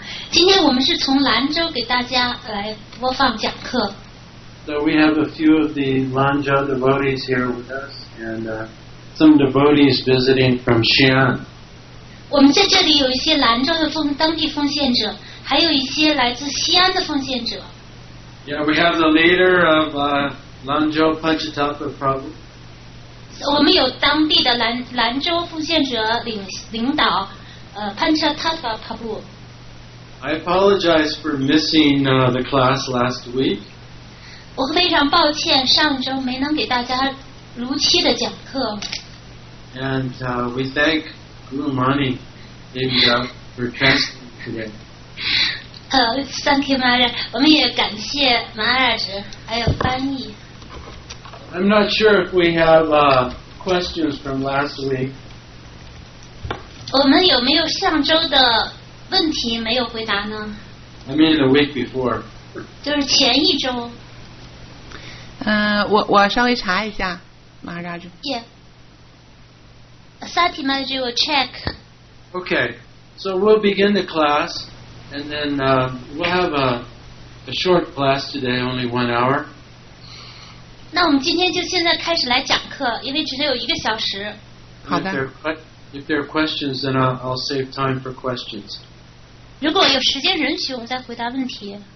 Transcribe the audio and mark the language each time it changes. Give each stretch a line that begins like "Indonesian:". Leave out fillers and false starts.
Chinese: 今天我们是从兰州给大家来播放讲课。
English: So we have a few of the Lanzhou devotees here with us, and some devotees visiting from Xi'an.
Chinese: 我们在这里有一些兰州的当地奉献者，还有一些来自西安的奉献者。
English: Yeah, we have the leader of Lanzhou Panchatapa Prabhu.
Chinese: 我们有当地的兰州奉献者领导Panchatapa Prabhu.
English: I apologize for missing the class last week.
Chinese: 我非常抱歉，上周没能给大家如期的讲课。
English: And we thank Guru Mani, David, for trusting today. Thank you, Maharaj.
Chinese: 我们也感谢 Maharaj 还有翻译。
English: I'm not sure if we have questions from last week.
Chinese: 我们有没有上周的问题没有回答呢
English: ？I mean the week before.
Chinese: 就是前一周。我稍微查一下 Maharaj.
English: Yeah. Sati Maharaj will check. Okay. So we'll begin the class and then we'll have a short class today, only 1 hour.
Chinese: 那我们今天就现在开始来讲课，因为只能有一个小时。好的。
English: If there are questions, then I'll save time for questions.
Chinese: 如果有时间允许，我们再回答问题。